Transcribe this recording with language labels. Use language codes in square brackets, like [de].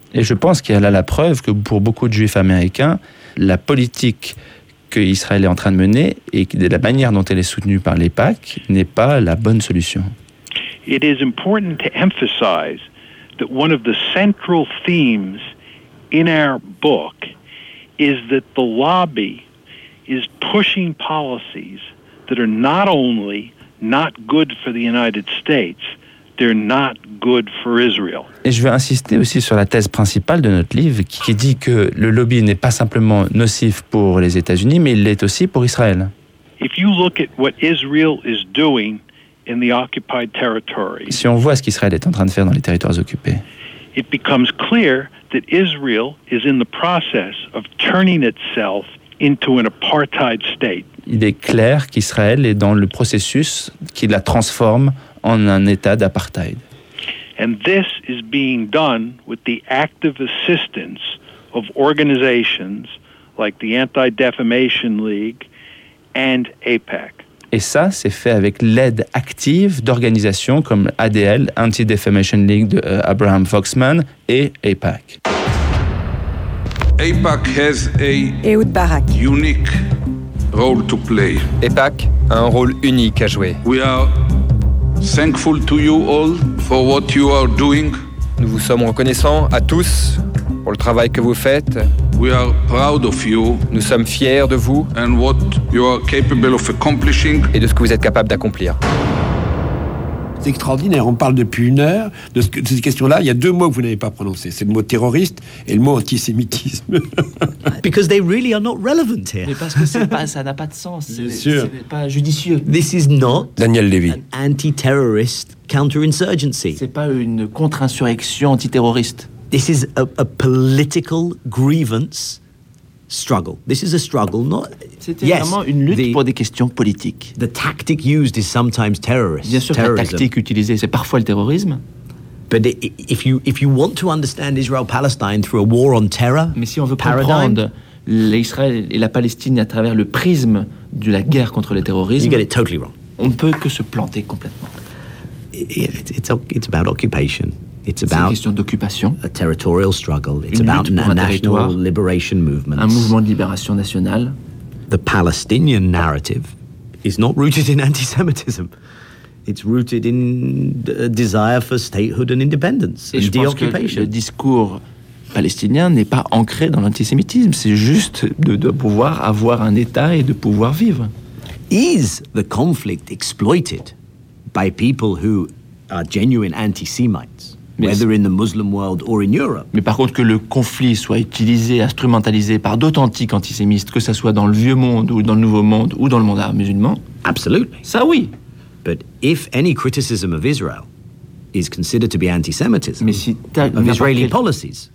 [fr] Et je pense qu'il y a là la preuve que pour beaucoup de Juifs américains, la politique qu'Israël est en train de mener et de la manière dont elle est soutenue par l'APAC n'est pas la bonne solution. [en] It is important to emphasize that one of the central themes in our book is that the lobby is pushing policies that are not only not good for the United States, they're not good for Israel. [fr] Et je veux insister aussi sur la thèse principale de notre livre qui dit que le lobby n'est pas simplement nocif pour les États-Unis, mais il l'est aussi pour Israël. [en] If you look at what Israel is doing in the occupied territories, [fr] si on voit ce qu'Israël est en train de faire dans les territoires occupés, [en] it becomes clear that Israel is in the process of turning itself into an apartheid state. [fr] Il est clair qu'Israël est dans le processus qui la transforme en un état d'apartheid. [en] And this is being done with the active assistance of organizations like the Anti-Defamation League and APAC. Et ça, c'est fait avec l'aide active d'organisations comme ADL, Anti-Defamation League de Abraham Foxman et APAC. APAC has a Ehud Barak. Unique role to play. [fr] APAC a un rôle unique à jouer. [en] We are thankful to you all for what you are doing. [fr] Nous vous sommes reconnaissants à tous pour le travail que vous faites. [en] We are proud of you. [fr] Nous sommes fiers de vous. [en] And what you are capable of accomplishing. [fr] Et de ce que vous êtes capable d'accomplir. C'est extraordinaire, on parle depuis une heure de, ce que, de ces questions-là. Il y a deux mots que vous n'avez pas prononcés, c'est le mot terroriste et le mot antisémitisme. [en] Because they really are not relevant here. [fr] Mais parce que c'est pas, ça n'a pas de sens, c'est pas judicieux. [en] This is not Daniel Lévy. An anti-terrorist counter-insurgency. [fr] C'est pas une contre-insurrection antiterroriste. [en] This is a political grievance struggle. This is a struggle, not. [fr] C'était [en] yes, [fr] vraiment une lutte pour des questions politiques. [en] The tactic used is sometimes terrorist. [fr] Bien sûr, [en] terrorism. [fr] La tactique utilisée, c'est parfois le terrorisme. [en] But if you want to understand Israel-Palestine through a war on terror, [fr] mais si on veut comprendre l'Israël et la Palestine à travers le prisme de la guerre contre le terrorisme, [en] you get it totally wrong. [fr] On ne peut que se planter complètement. [en] It's about occupation. It's about [fr] c'est une question d'occupation. [en] A territorial struggle. It's [fr] une [en] about [fr] lutte pour un [en] national liberation movement. [fr] Un mouvement de libération nationale. [en] The Palestinian narrative is not rooted in anti-Semitism. It's rooted in a desire for statehood and independence [fr] et [en] and de-occupation. [fr] Le discours palestinien n'est pas ancré dans l'antisémitisme. C'est juste de pouvoir avoir un État et de pouvoir vivre. [en] Is the conflict exploited by people who are genuine anti-Semites? Whether in the Muslim world or in Europe. [fr] Mais par contre, que le conflit soit utilisé, instrumentalisé par d'authentiques antisémites, que ce soit dans le vieux monde ou dans le nouveau monde ou dans le monde arabe musulman, [en] absolutely. [fr] Ça oui. [en] But if any criticism of Israel is considered to be anti-Semitism, [fr] mais si [en] of Israeli policies,